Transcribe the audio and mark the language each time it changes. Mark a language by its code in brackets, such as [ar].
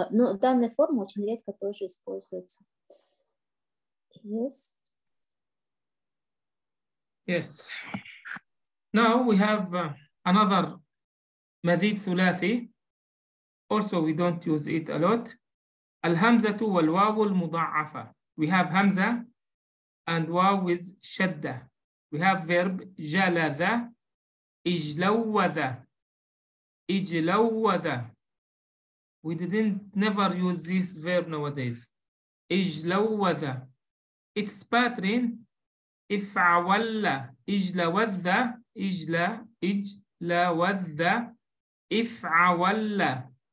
[ru] Но данная форма очень редко тоже используется. [en] Yes. Yes. Now we have another [ar] مزيد ثلاثي. [en] Also we don't use it a lot. [ar] الهمزة والواو المضاعفة. [en] We have همزة and واو with شدة. We have verb جلذ اجلوذ اجلوذ. We didn't never use this verb nowadays. اجلوذ. It's pattern. [ar] افعول اجلوذ اجل اجلوذ افعول.